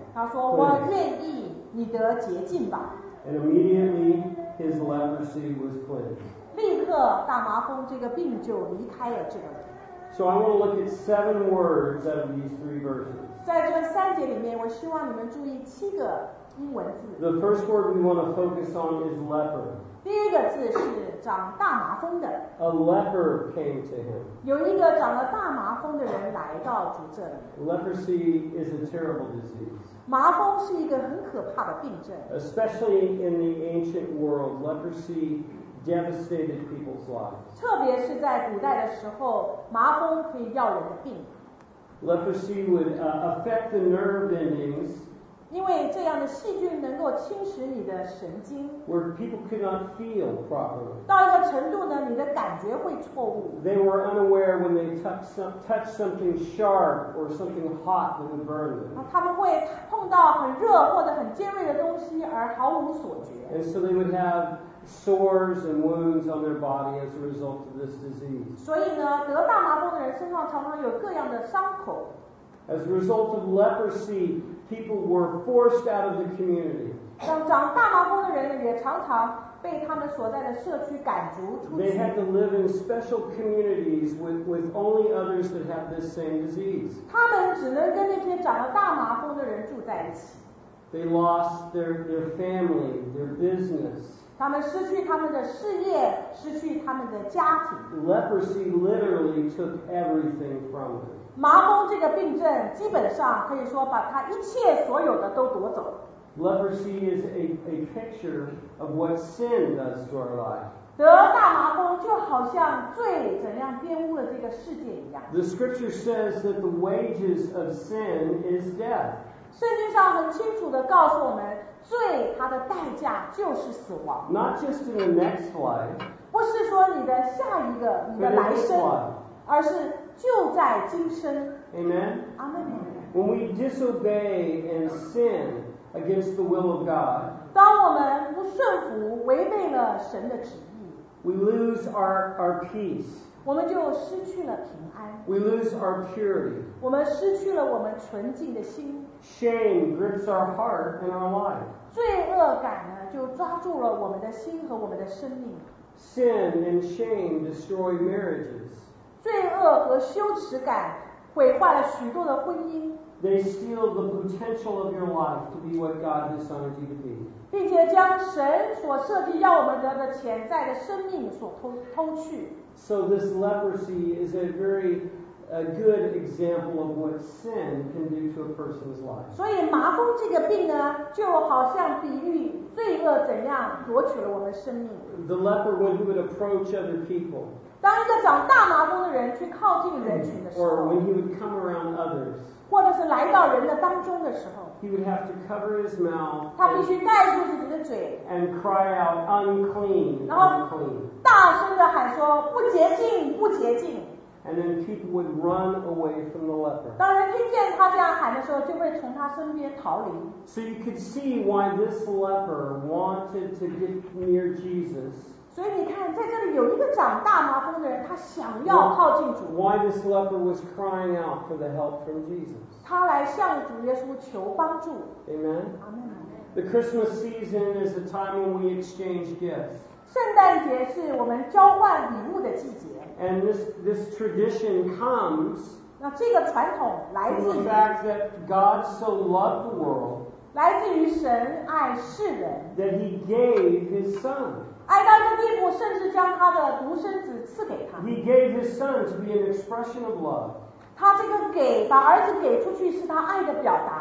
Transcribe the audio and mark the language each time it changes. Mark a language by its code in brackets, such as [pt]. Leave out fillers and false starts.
[zh] 他说我愿意你得洁净吧 [en] And immediately his leprosy was cleansed. [zh] 立刻大麻风这个病就离开了这个人 [en] So I want to look at seven words out of these three verses. [zh] 在这三节里面我希望你们注意七个英文字 [en] The first word we want to focus on is leper. [zh] 第一个字是长大麻风的 [en] A leper came to him. [zh] 有一个长了大麻风的人来到主这里 [en] Leprosy is a terrible disease. [zh] 麻风是一个很可怕的病症 [en] Especially in the ancient world, leprosy devastated people's lives. [zh] 特别是在古代的时候, 麻风可以要人的病 [en] Leprosy would affect the nerve endings [zh] 因为这样的细菌能够侵蚀你的神经。 [en] Where people could not feel properly. [zh] 到一个程度呢，你的感觉会错误。 [en] They were unaware when they touched something sharp or something hot that would burn them. [zh] 他们会碰到很热或者很尖锐的东西而毫无所觉。 [en] And so they would have sores and wounds on their body as a result of this disease. [zh] 所以呢，得大麻风的人身上常常有各样的伤口。 [en] As a result of leprosy, people were forced out of the community. [zh] 像长大麻风的人也常常被他们所在的社区赶逐出去。 [en] They had to live in special communities with only others that have this same disease. [zh] 他们只能跟那些长了大麻风的人住在一起。 [en] They lost their family, their business. [zh] 他们失去他们的事业，失去他们的家庭。 [en] Leprosy literally took everything from them. [zh] 麻风这个病症基本上可以说把它一切所有的都夺走。 [en] Leprosy is a picture of what sin does to our life. [zh] 得大麻风就好像罪怎样玷污了这个世界一样。 [en] The scripture says that the wages of sin is death. [zh] 圣经上很清楚地告诉我们，罪它的代价就是死亡。 [en] Not just in the next life. [zh] 不是说你的下一个，你的来生，而是就在今生。 [en] Amen. Amen. When we disobey and sin against the will of God, [zh] 当我们不顺服，违背了神的旨意， [en] we lose our peace. [zh] 我们就失去了平安。 [en] We lose our purity. [zh] 我们失去了我们纯净的心。 [en] Shame grips our heart and our life. [zh] 罪恶感呢，就抓住了我们的心和我们的生命。 [en] Sin and shame destroy marriages. [zh] 罪恶和羞耻感毁坏了许多的婚姻。 [en] They steal the potential of your life to be what God designed you to be. [zh] 并且将神所设计要我们得的潜在的生命所偷去。 [en] So this leprosy is a very good example of what sin can do to a person's life. [zh] 所以麻风这个病呢，就好像比喻罪恶怎样夺取了我们生命。 [en] The leper, when he would approach other people. [zh] 当一个长大麻风的人去靠近人群的时候， [en] or when he would come around others, [zh] 或者是来到人的当中的时候， [en] he would have to cover his mouth, [zh] 他必须盖住自己的嘴， [en] and cry out, unclean, unclean. [zh] 大声地喊说不洁净不洁净。 [en] And then people would run away from the leper. [zh] 当人听见他这样喊的时候，就会从他身边逃离。 [en] So you could see why this leper wanted to get near Jesus. [zh] 所以你看，在这里有一个长大麻风的人，他想要靠近主。 [en] Why this leper was crying out for the help from Jesus? [zh] 他来向主耶稣求帮助。 [en] Amen. The Christmas season is a time when we exchange gifts. [zh] 圣诞节是我们交换礼物的季节。 [en] And this tradition comes. [zh] 那这个传统来自于 [en] the fact that God so loved the world. [zh] 来自于神爱世人。 [en] That He gave His Son. [zh] 爱到一个地步，甚至将他的独生子赐给他。 [en] He gave his son to be an expression of love. [zh] 他这个给，把儿子给出去，是他爱的表达。